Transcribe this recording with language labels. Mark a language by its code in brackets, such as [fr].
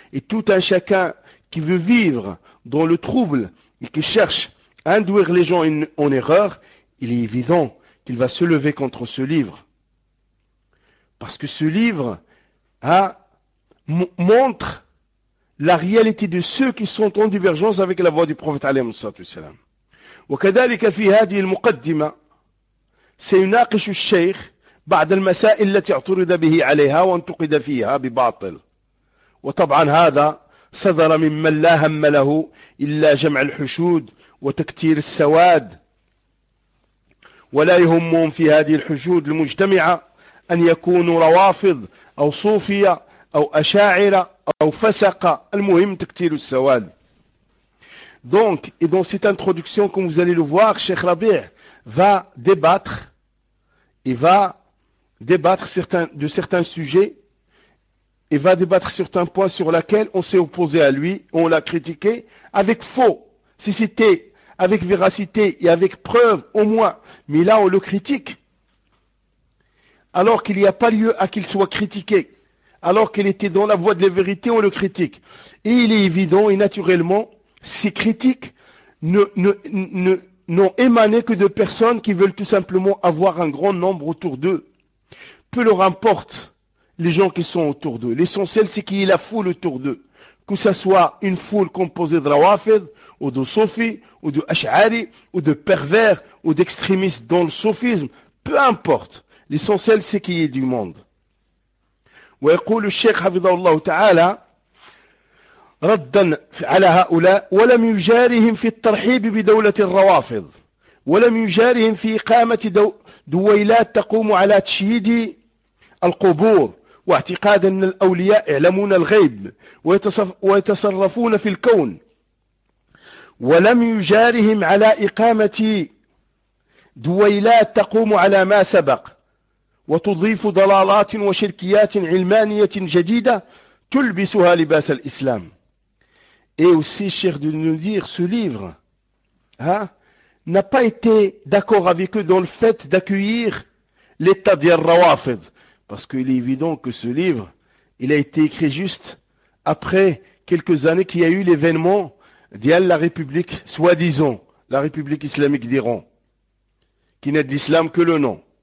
[fr] Et tout un chacun qui veut vivre dans le trouble et qui cherche à induire les gens en erreur, il est évident qu'il va se lever contre ce livre. Parce que ce livre montre la réalité de ceux qui sont en divergence avec la voix du prophète alayhi sallatou salam. [ar] Wa kadhalika fi hadhihi al-muqaddima سيناقش الشيخ بعض المسائل التي اعترض به عليها وانتقد فيها بباطل. وطبعا هذا صدر ممن لا هم له إلا جمع الحشود وتكتير السواد ولا يهمهم في هذه الحشود المجتمعة أن يكونوا روافض أو صوفية أو أشاعرة أو فسقة, المهم تكتير السواد. [fr] Donc, et dans cette introduction, comme vous allez le voir, Cheikh Rabi' va débattre, il va débattre de certains sujets, et va débattre certains points sur lesquels on s'est opposé à lui, on l'a critiqué, avec faux, si c'était avec véracité et avec preuve au moins, mais là on le critique, alors qu'il n'y a pas lieu à qu'il soit critiqué, alors qu'il était dans la voie de la vérité, on le critique. Et il est évident et naturellement, ces critiques n'ont émané que de personnes qui veulent tout simplement avoir un grand nombre autour d'eux. Peu leur importe les gens qui sont autour d'eux. L'essentiel, c'est qu'il y ait la foule autour d'eux. Que ce soit une foule composée de rawafid, ou de sofis, ou de ash'ari, ou de pervers, ou d'extrémistes dans le sophisme. Peu importe. L'essentiel, c'est qu'il y ait du monde. [ar] Wa yaqulu Cheikh hafidhahullah ta'ala, ردا على هؤلاء ولم يجارهم في الترحيب بدولة الروافض ولم يجارهم في إقامة دويلات تقوم على تشييد القبور واعتقاد أن الأولياء يعلمون الغيب ويتصرفون في الكون ولم يجارهم على إقامة دويلات تقوم على ما سبق وتضيف ضلالات وشركيات علمانية جديدة تلبسها لباس الإسلام. [fr] Et aussi, cher de nous dire, ce livre n'a pas été d'accord avec eux dans le fait d'accueillir l'état d'Yar Rawafid. Parce qu'il est évident que ce livre, il a été écrit juste après quelques années qu'il y a eu l'événement d'Yal la République, soi-disant, la République islamique d'Iran, qui n'est de l'islam que le nom.